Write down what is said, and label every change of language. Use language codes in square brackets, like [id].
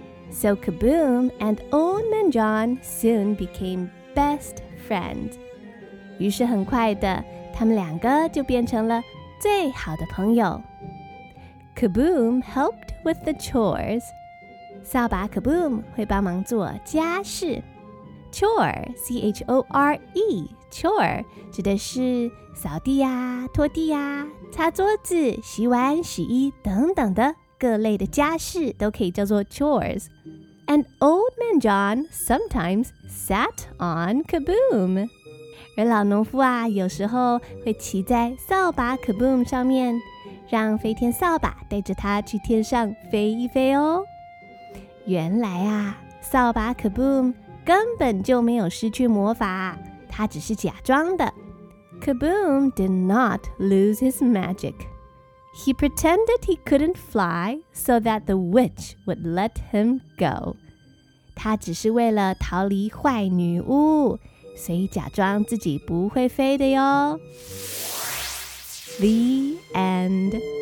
[en] So Kaboom and Old Man John soon became best friends。 [zh] 于是很快的，他们两个就变成了最好的朋友。 [en] Kaboom helped with the chores。 [zh] 扫把 Kaboom 会帮忙做家事。 Chore, chore 指的是扫地呀、拖地呀、擦桌子、洗碗、洗衣等等的各类的家事都可以叫做 chores。 [en] And Old Man John sometimes sat on Kaboom。 [zh] 而老农夫啊，有时候会骑在扫把 Kaboom 上面。让飞天扫把带着他去天上飞一飞哦。原来啊，扫把 Kaboom 根本就没有失去魔法，他只是假装的。 [en] Kaboom did not lose his magic. He pretended he couldn't fly so that the witch would let him go. [zh] 他只是为了逃离坏女巫，所以假装自己不会飞的哟。 [en] The end.